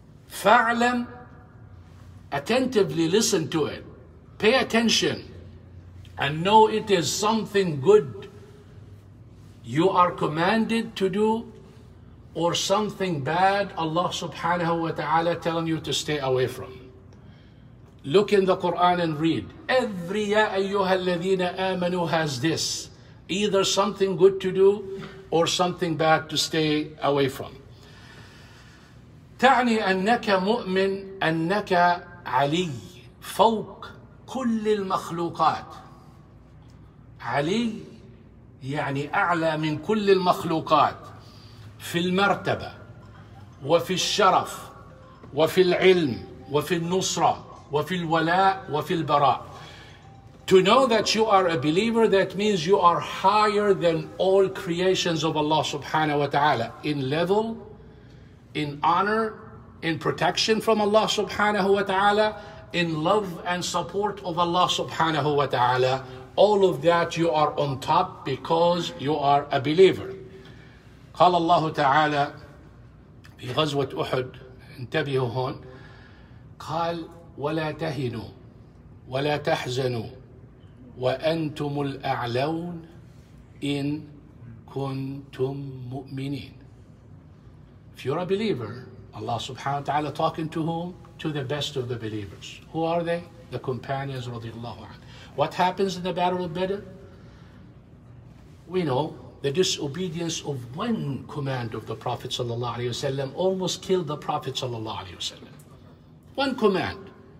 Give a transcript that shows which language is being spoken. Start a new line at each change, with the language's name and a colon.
English: Fa'lam, attentively listen to it, pay attention, and know it is something good you are commanded to do, or something bad Allah subhanahu wa ta'ala telling you to stay away from. Look in the Quran and read. Every
Arabic: ya ayyuha alladhina amanu
English: has this, either something good to do or something bad to stay away from.
Arabic: تعني أنك مؤمن أنك علي فوق كل المخلوقات. علي يعني أعلى من كل المخلوقات في المرتبة وفي الشرف وفي العلم وفي النصرة وفي الولاء وفي البراء.
English: To know that you are a believer, that means you are higher than all creations of Allah subhanahu wa ta'ala in level, in honor, in protection from Allah subhanahu wa ta'ala, in love and support of Allah subhanahu wa ta'ala. All of that you are on top because you are a believer.
Arabic: قال الله تعالى في غزوة أحد, انتبهوا هون, قال ولا تهنوا ولا تحزنوا وأنتم الأعلون إن كنتم مؤمنين.
English: If you're a believer, Allah subhanahu wa ta'ala talking to whom? To the best of the believers. Who are they? The companions radiallahu anhu. What happens in the battle of Badr? We know the disobedience of one command of the Prophet sallallahu alaihi wasallam almost killed the Prophet sallallahu alaihi wasallam. One command.